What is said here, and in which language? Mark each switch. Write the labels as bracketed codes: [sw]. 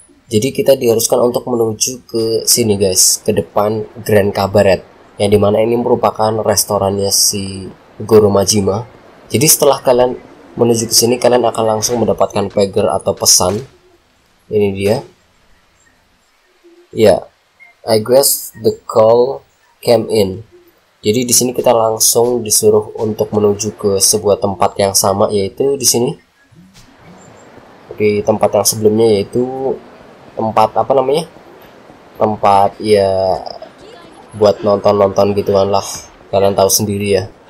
[id] Jadi kita diharuskan untuk menuju ke sini guys, ke depan Grand Cabaret, yang dimana ini merupakan restorannya si Goro Majima. Jadi setelah kalian menuju ke sini, kalian akan langsung mendapatkan pager atau pesan. Ini dia. [en] Ya, yeah, I guess the call came in. [id] Jadi di sini kita langsung disuruh untuk menuju ke sebuah tempat yang sama, yaitu di sini. Di tempat yang sebelumnya, yaitu tempat apa namanya? Tempat ya buat nonton-nonton gituan lah. Kalian tahu sendiri ya.